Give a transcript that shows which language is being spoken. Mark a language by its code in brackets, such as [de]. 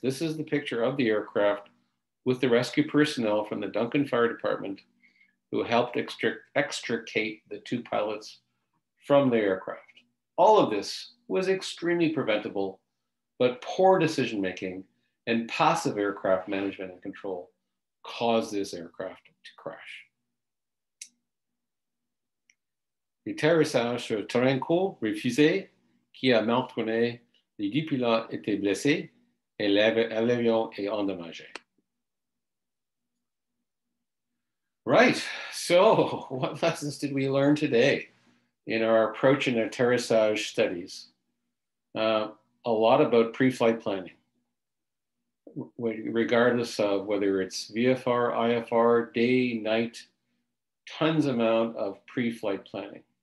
[en] This is the picture of the aircraft with the rescue personnel from the Duncan Fire Department who helped extricate the two pilots from the aircraft. All of this was extremely preventable, but poor decision-making and passive aircraft management and control caused this aircraft to crash. [fr] L'atterrissage sur terrain court refusé qui a mal tourné, les 10 pilotes étaient blessés et l'avion est endommagé. [en] Right, so what lessons did we learn today in our approach and aterrissage studies? A lot about pre-flight planning. Regardless of whether it's VFR, IFR, day, night, tons amount of pre-flight planning.